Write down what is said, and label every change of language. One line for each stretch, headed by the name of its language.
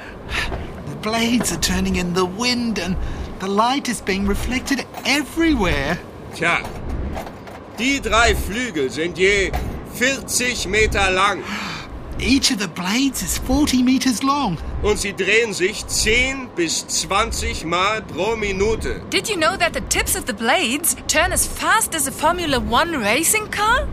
English: The blades are turning in the wind and the light is being reflected everywhere.
German: Tja, die drei Flügel sind je 40 Meter lang.
English: Each of the blades is 40 meters long.
German: Und sie drehen sich 10 bis 20 Mal pro Minute.
English: Did you know that the tips of the blades turn as fast as a Formula One racing car?